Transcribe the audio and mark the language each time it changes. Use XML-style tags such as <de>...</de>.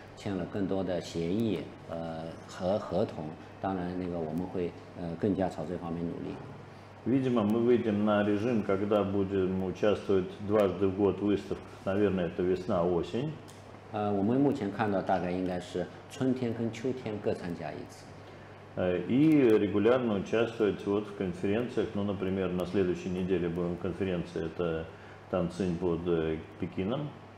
<zh>签了更多的协议和合同，当然那个我们会更加朝这方面努力。</zh> <ru>Видимо, мы выйдем на режим, когда будем участвовать 2 раза в год в выставках. Наверное, это весна-осень.</ru> <zh>我们目前看到大概应该是春天跟秋天各参加一次。</zh> <ru>И регулярно участвовать вот в конференциях. Ну, например, на следующей неделе будем конференция. Это Танцинь под Пекином.</ru>